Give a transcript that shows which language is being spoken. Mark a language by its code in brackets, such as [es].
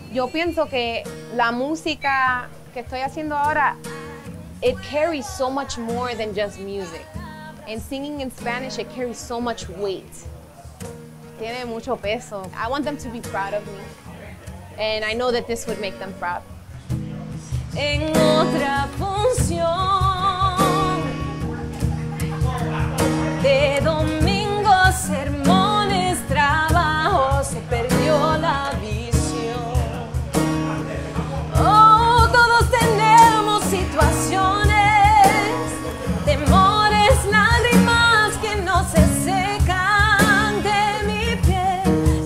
[es] Yo pienso que la música que estoy haciendo ahora [en] it carries so much more than just music. And singing in Spanish, it carries so much weight. [es] Tiene mucho peso. [en] I want them to be proud of me. And I know that this would make them proud. [es] En otra función de domingo sermones trabajo se perdió la visión. Oh, todos tenemos situaciones, temores, lágrimas que no se secan de mi piel.